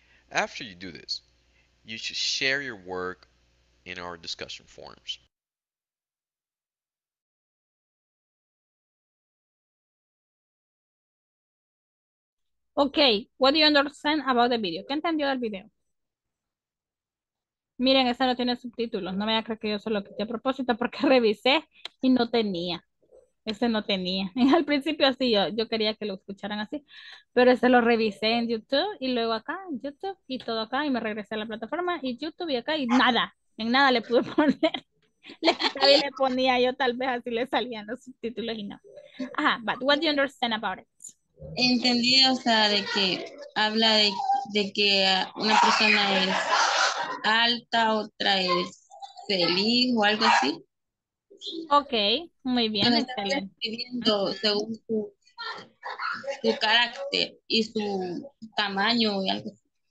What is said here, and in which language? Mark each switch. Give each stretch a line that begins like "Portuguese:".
English: After you do this, you should share your work in our discussion forums. Okay, what do you understand about the video?
Spanish: ¿Qué entendió del video? Miren, esa no tiene subtítulos. No me voy a creer que yo se lo quité a propósito porque revisé y no tenía. Ese no tenía. Y al principio así, yo quería que lo escucharan así. Pero ese lo revisé en YouTube y luego acá en YouTube y todo acá. Y me regresé a la plataforma y YouTube y acá y nada. En nada le pude poner. Le ponía yo tal vez así le salían los subtítulos y no.
English: Ajá, but what do you understand about it?
Spanish: Entendí, o sea, de que habla de que una persona es alta, otra es feliz o algo así. Ok, muy bien, excelente. Viendo según su carácter y su tamaño y algo así.